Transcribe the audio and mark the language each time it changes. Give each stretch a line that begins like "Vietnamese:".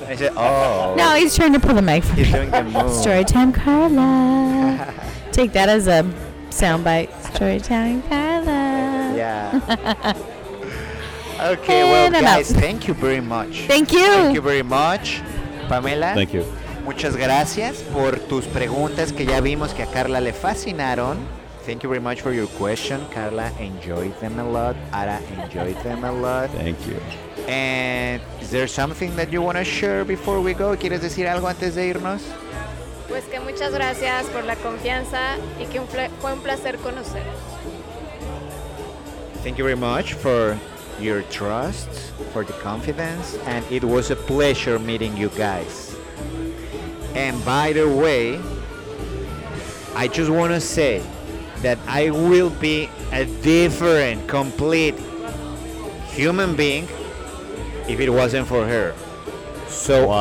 English: Like, I said, oh. No, he's trying to pull the mic. He's doing the move. Story time, Carla. Take that as a soundbite. Story time, Carla. Yeah. Okay, and well, guys, thank you very much. Thank you. Thank you very much, Pamela. Thank you.
Spanish: Muchas gracias por tus preguntas que ya vimos que a Carla le fascinaron.
English: Thank you very much for your question, Carla. Enjoyed them a lot. Ara enjoyed them a lot. Thank you. And is there something that you want to share before we go?
Spanish: ¿Quieres decir algo antes de irnos? Pues que muchas gracias por la confianza y que fue un placer conocerlos.
English: Thank you very much for your trust, for the confidence, and it was a pleasure meeting you guys. And by the way, I just want to say that I will be a different, complete human being if it wasn't for her. So wow.